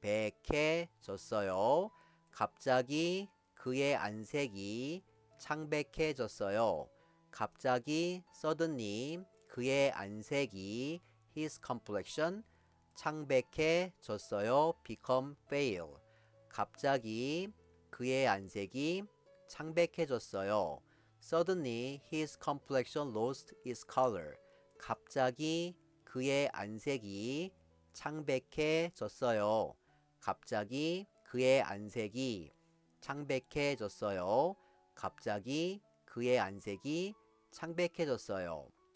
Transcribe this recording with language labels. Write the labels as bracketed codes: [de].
[ko] 창백해졌어요. 갑자기 그의 안색이 창백해졌어요. 갑자기 [en] suddenly [ko] 그의 안색이 [en] his complexion [ko] 창백해졌어요. [en] become pale. [ko] 갑자기 그의 안색이 창백해졌어요. [en] suddenly his complexion lost its color. [ko] 갑자기 그의 안색이 창백해졌어요. 갑자기 그의 안색이 창백해졌어요. 갑자기 그의 안색이 창백해졌어요.